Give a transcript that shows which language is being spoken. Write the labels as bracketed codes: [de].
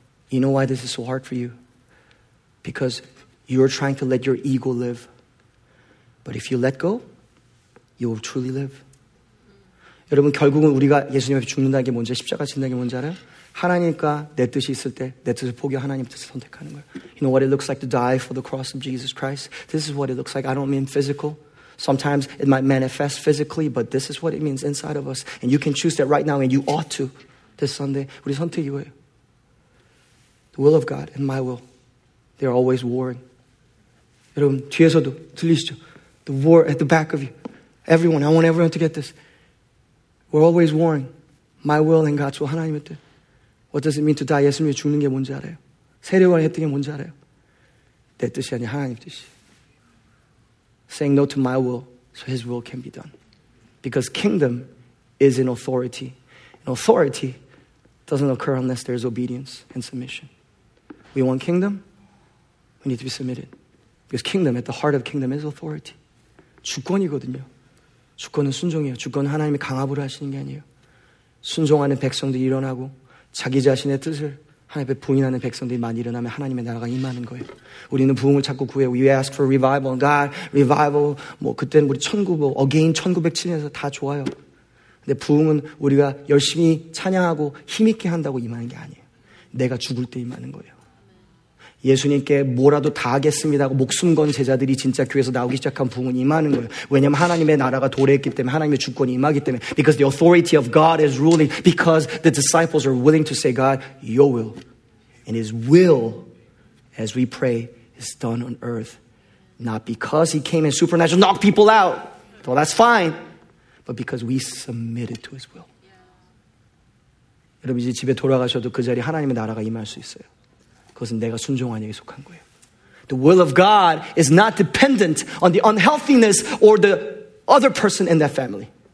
[en] You know why this is so hard for you? Because you're trying to let your ego live. But if you let go, you will truly live. [ko] 여러분, 결국은 우리가 예수님 앞에 죽는다는 게 뭔지, 십자가 진다는 게 뭔지 알아요? 하나님과 내 뜻이 있을 때, 내 뜻을 포기 하나님 뜻을 선택하는 거예요. [en] You know what it looks like to die for the cross of Jesus Christ? This is what it looks like. I don't mean physical. Sometimes it might manifest physically, but this is what it means inside of us. And you can choose that right now, and you ought to this Sunday. [ko] 우리 선택 이거예요. [en] The will of God and my will. They're always warring. [ko] 여러분, 뒤에서도 들리시죠? [en] The war at the back of you. Everyone, I want everyone to get this. We're always warring. My will and God's will. [ko] 하나님의 뜻. [en] What does it mean to die? [ko] 예수님이 죽는 게 뭔지 알아요? 세례관이 했던 게 뭔지 알아요? 내 뜻이 아니 하나님 뜻이. [en] Saying no to my will so his will can be done. Because kingdom is in authority. And authority doesn't occur unless there's obedience and submission. We want kingdom. We need to be submitted. Because kingdom, at the heart of kingdom is authority. [ko] 주권이거든요. 주권은 순종이에요. 주권은 하나님이 강압으로 하시는 게 아니에요. 순종하는 백성들이 일어나고 자기 자신의 뜻을 하나님 앞에 부인하는 백성들이 많이 일어나면 하나님의 나라가 임하는 거예요. 우리는 부흥을 자꾸 구해요. [en] We ask for revival. God, revival. [ko] 뭐 그때는 우리 1907년에서 다 좋아요. 근데 부흥은 우리가 열심히 찬양하고 힘있게 한다고 임하는 게 아니에요. 내가 죽을 때 임하는 거예요. 예수님께 뭐라도 다 하겠습니다 하고 목숨 건 제자들이 진짜 교회에서 나오기 시작한 부흥은 임하는 거예요. 왜냐하면 하나님의 나라가 도래했기 때문에 하나님의 주권이 임하기 때문에 [en] Because the authority of God is ruling because the disciples are willing to say God, your will and his will as we pray is done on earth. Not because he came in supernatural, knock people out. Well, that's fine. But because we submitted to his will. [ko] 여러분 이제 집에 돌아가셔도 그 자리에 하나님의 나라가 임할 수 있어요. 그것은 내가 순종하는 데 속한 거예요. [en] The will of God is not dependent on the unhealthiness or the other person in that family.